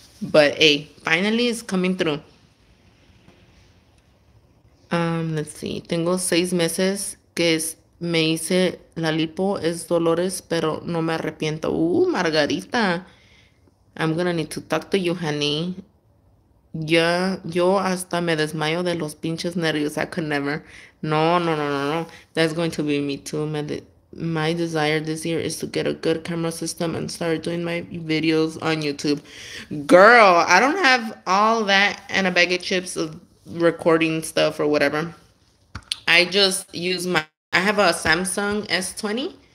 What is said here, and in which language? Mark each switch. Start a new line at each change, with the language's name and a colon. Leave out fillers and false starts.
English: But hey, finally it's coming through.
Spanish: Let's see. Tengo 6 meses que me hice la lipo. Es Dolores, pero no me arrepiento. Margarita.
English: I'm gonna need to talk to you, honey.
Spanish: Yeah, yo hasta me desmayo de los pinches nervios.
English: I could never. No. That's going to be me too. My desire this year is to get a good camera system and start doing my videos on YouTube. Girl, I don't have all that and a bag of chips of recording stuff or whatever. I just use I have a Samsung S20.